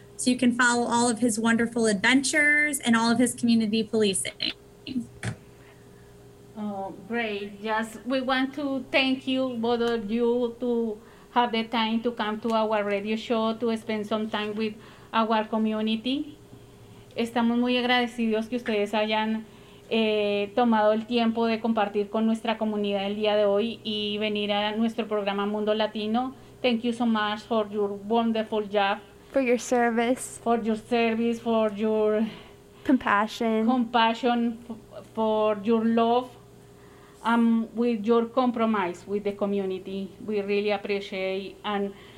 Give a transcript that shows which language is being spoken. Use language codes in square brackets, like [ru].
[en] so you can follow all of his wonderful adventures and all of his community policing. Oh, great. Yes, we want to thank you, both of you, to have the time to come to our radio show to spend some time with our community. [es] Estamos muy agradecidos que ustedes hayan tomado el tiempo de compartir con nuestra comunidad el día de hoy y venir a nuestro programa Mundo Latino. [en] Thank you so much for your wonderful job. For your service. For your service, for your... compassion. Compassion, for your love. With your compromise with the community. We really appreciate and